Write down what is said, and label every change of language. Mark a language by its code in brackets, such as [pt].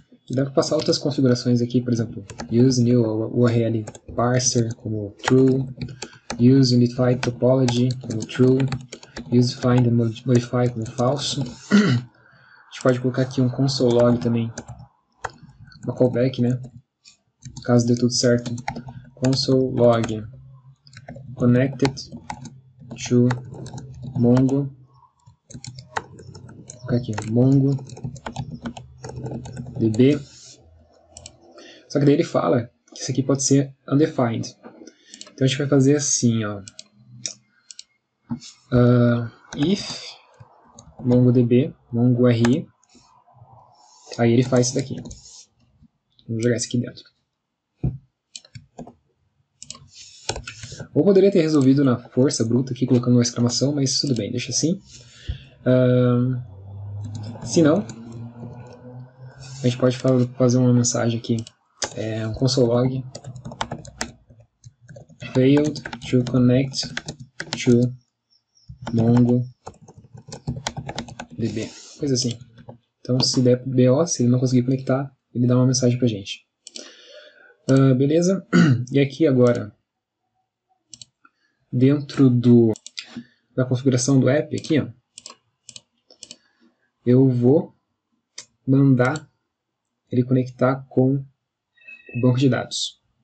[pt] Dá para passar outras configurações aqui, por exemplo, use new URL parser como true, use unified topology como true, use find and modify como falso. A gente pode colocar aqui um console log também, uma callback, né? Caso dê tudo certo. [en] Console log connected to Mongo. [pt] Vou colocar aqui MongoDB. Só que daí ele fala que isso aqui pode ser undefined. Então a gente vai fazer assim, ó. If MongoDB, MongoRI. Aí ele faz isso daqui. Vou jogar isso aqui dentro. Ou poderia ter resolvido na força bruta aqui, colocando uma exclamação, mas tudo bem, deixa assim. Se não, a gente pode fazer uma mensagem aqui. É um console log. [en] Failed to connect to MongoDB. [pt] Coisa assim. Então, se der BO, se ele não conseguir conectar, ele dá uma mensagem pra gente. Beleza? E aqui agora, dentro da configuração do app aqui, ó, eu vou mandar ele conectar com o banco de dados.